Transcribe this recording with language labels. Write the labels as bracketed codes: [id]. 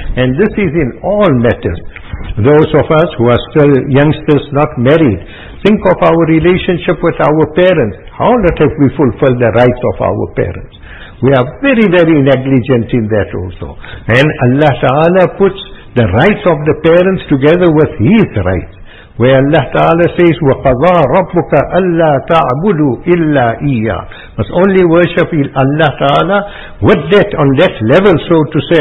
[en] And this is in all matters. Those of us who are still youngsters, not married, think of our relationship with our parents. How not have we fulfilled the rights of our parents? We are very, very negligent in that also. And Allah Ta'ala puts the rights of the parents together with His rights. Where Allah Ta'ala says, [ar] وَقَضَى رَبُّكَ أَلَّا تَعْبُدُوا إِلَّا إِيَّا. [en] Must only worship Allah Ta'ala with that, on that level, so to say.